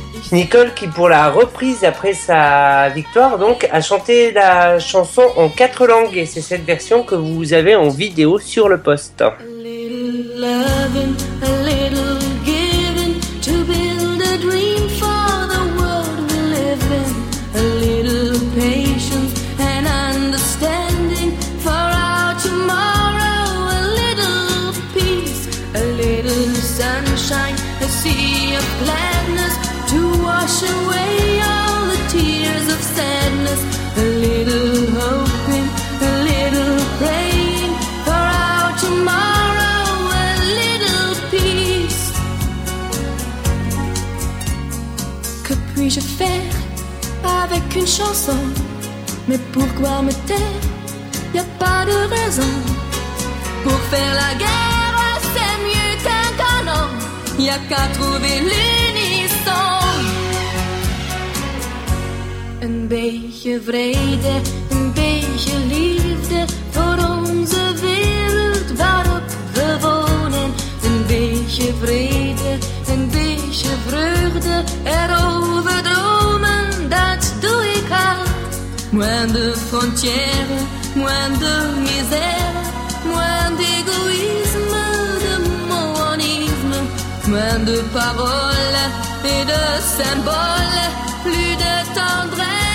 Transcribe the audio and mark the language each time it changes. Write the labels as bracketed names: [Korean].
[French] Nicole qui, pour la reprise après sa victoire, donc, a chanté la chanson en quatre langues. Et c'est cette version que vous avez en vidéo sur le post. [English] A little loving, a little giving, to build a dream for the world we live in. A little patience and understanding for our tomorrow. A little peace, a little sunshine, a sea of gladness. To wash away all the tears of sadness. A little hoping, a little praying for our tomorrow, a little peace. [French] Que puis-je faire avec une chanson? Mais pourquoi me taire? Y'a pas de raison. Pour faire la guerre, c'est mieux qu'un canon. Y'a qu'à trouver l'unisson. [Dutch] Een beetje vrede, een beetje liefde voor onze wereld waarop we wonen. Een beetje vrede, een beetje vreugde erover dromen, dat doe ik al. [French] Moins de frontières, moins de misère, moins d'égoïsme, de monisme, moins de paroles et de symboles, plus de tendresse.